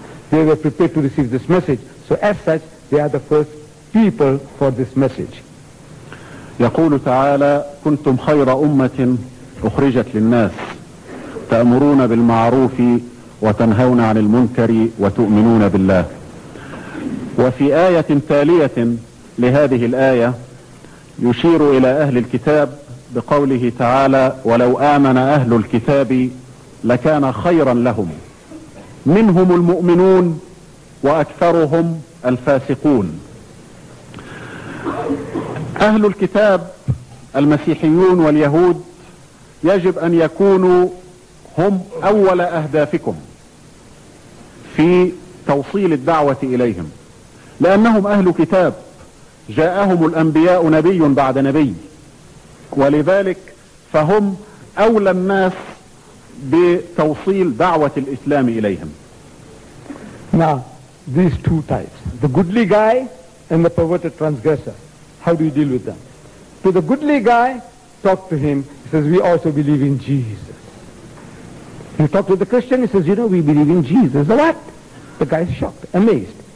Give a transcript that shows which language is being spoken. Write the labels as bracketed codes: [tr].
[en] They were prepared to receive this message. So as such, they are the first people for this message. [ar] يقول تعالى كنتم خير أمة أخرجت للناس تأمرون بالمعروف وتنهون عن المنكر وتؤمنون بالله. وفي آية تالية لهذه الآية يشير إلى أهل الكتاب بقوله تعالى ولو آمن أهل الكتاب لكان خيرا لهم منهم المؤمنون وأكثرهم الفاسقون. أهل الكتاب المسيحيون واليهود يجب أن يكونوا هم أول أهدافكم في توصيل الدعوة إليهم، لأنهم أهل كتاب، جاءهم الأنبياء نبي بعد نبي، ولذلك فهم أولى الناس بتوصيل دعوة الإسلام إليهم. نعم. [en] these two types, the goodly guy and the perverted transgressor. How do you deal with them? To the goodly guy, talk to him. He says, we also believe in Jesus. You talk to the Christian, he says, you know, we believe in Jesus. What? The guy's shocked, amazed.